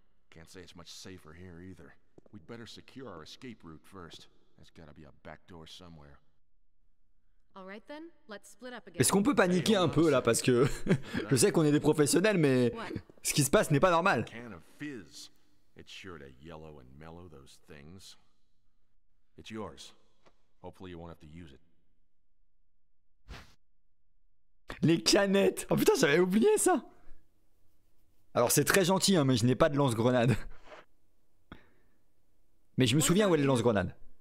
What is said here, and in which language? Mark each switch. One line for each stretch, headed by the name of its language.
English: Can't say it's much safer here either. We'd better secure our escape route first. There's gotta be a back door somewhere. All right then, let's split up again.
French: Est-ce qu'on peut paniquer un peu là, parce que je sais qu'on est des professionnels, mais ce qui se passe n'est pas normal.
English: Can of fizz. It's sure to yellow and mellow those things. It's yours. Hopefully you won't have to use it.
French: Les canettes! Oh putain, j'avais oublié ça! Alors c'est très gentil, hein, mais je n'ai pas de lance-grenade. Mais je me souviens où est le lance-grenade.